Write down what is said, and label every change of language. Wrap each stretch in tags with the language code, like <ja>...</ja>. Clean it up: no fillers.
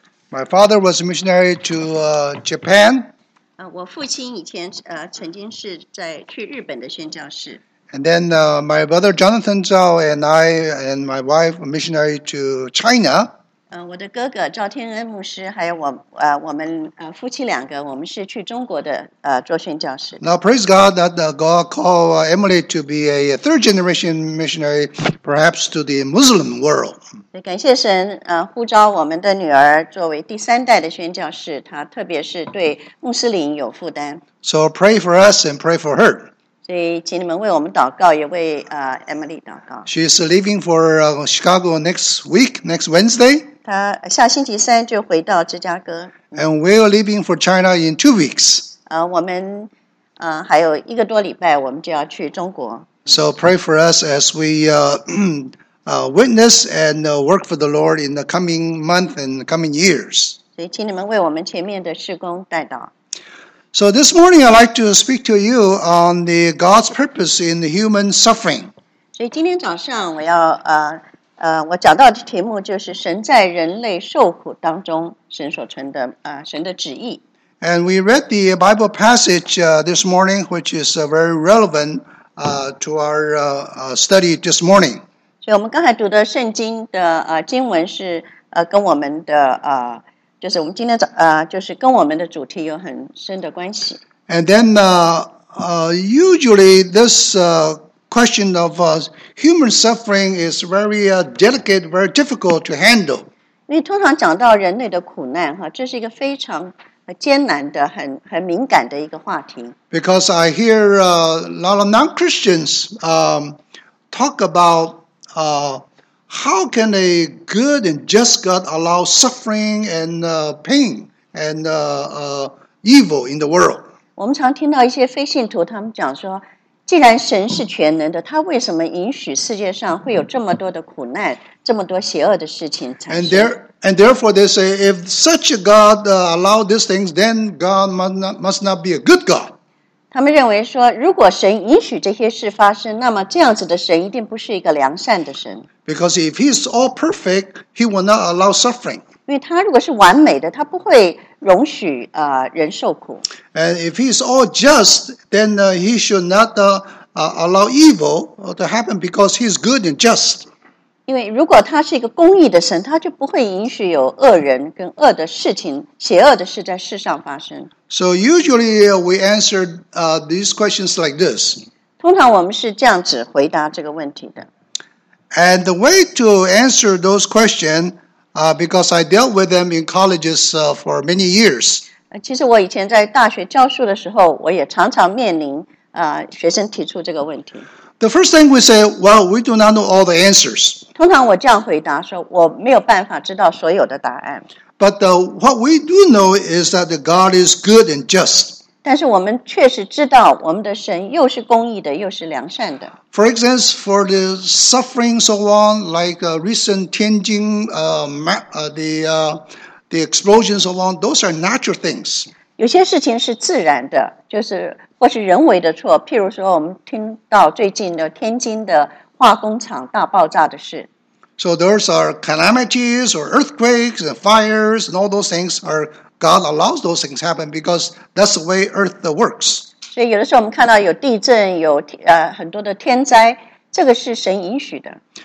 <en>My father was a missionary to Japan. And then my brother Jonathan Zhao and I and my wife were missionary to China.</en> <zh>我的哥哥赵天恩牧师还有我我们夫妻两个，我们是去中国的做宣教士。</zh> <en>Now praise God that God called Emily to be a third generation missionary, perhaps to the Muslim world.</en> <zh>感谢神，呼召我们的女儿作为第三代的宣教士，她特别是对穆斯林有负担。</zh> <en>So pray for us and pray for her.</en> <zh>所以请你们为我们祷告，也为Emily 祷告。</zh> <en>She is leaving for Chicago next week, next Wednesday.</en> <zh>她下星期三就回到芝加哥。</zh> <en>And we are leaving for China in 2 weeks.</en> <zh>我们还有一个多礼拜，我们就要去中国。</zh> <en>So pray for us as we witness and work for the Lord in the coming month and the coming years.</en> <zh>所以请你们为我们前面的事工代祷。</zh> <en>So this morning, I'd like to speak to you on the God's purpose in the human suffering.</en> <zh>So 今天早上我要我讲到的题目就是神在人类受苦当中神所存的神的旨意。</zh> <en>And we read the Bible passage this morning, which is very relevant to our study this morning.</en> <zh>所以我们刚才读的圣经的经文是跟我们的就是我们今天就是跟我们的主题有很深的关系。</zh> <en>And then usually this question of human suffering is very delicate, very difficult to handle.</en> <zh>你通常讲到人类的苦难，这是一个非常艰难的、很敏感的一个话题。</zh> <en>Because I hear a lot of non-Christians talk about how can a good and just God allow suffering and pain and evil in the world.</en> <zh>我们常听到一些非信徒他们讲说，既然神是全能的，他为什么允许世界上会有这么多的苦难，这么多邪恶的事情产生？</zh> <en>And therefore they say, if such a God allow these things, then God must not be a good God.</en> <zh>他们认为说，如果神允许这些事发生，那么这样子的神一定不是一个良善的神。</zh> <en>Because if he's all perfect, he will not allow suffering.</en> <zh>因为他如果是完美的，他不会容许人受苦。</zh> <en>And if he's all just, then he should not allow evil to happen because he's good and just.</en> <zh>因为如果他是一个公义的神，他就不会允许有恶人跟恶的事情、邪恶的事在世上发生。</zh> <en>So usually we answer these questions like this.</en> <zh>通常我们是这样子回答这个问题的。</zh> <en>And the way to answer those questions, because I dealt with them in colleges for many years.</en> <zh>其实我以前在大学教书的时候，我也常常面临学生提出这个问题。</zh> <en>The first thing we say, well, we do not know all the answers.</en> <zh>通常我这样回答说，我没有办法知道所有的答案。</zh> <en>But what we do know is that God is good and just.</en> <zh>但是我们确实知道我们的神又是公义的，又是良善的。</zh> <en>For instance, for the suffering so on, like recent Tianjin, the explosion so on, those are natural things.</en> <zh>有些事情是自然的，就是或是人为的错，譬如说我们听到最近的天津的化工厂大爆炸的事。</zh> <en>So those are calamities or earthquakes and fires and all those things are God allows those things happen because that's the way earth works.</en> <zh>所以有的时候我们看到有地震，有很多的天灾，这个是神允许的。</zh>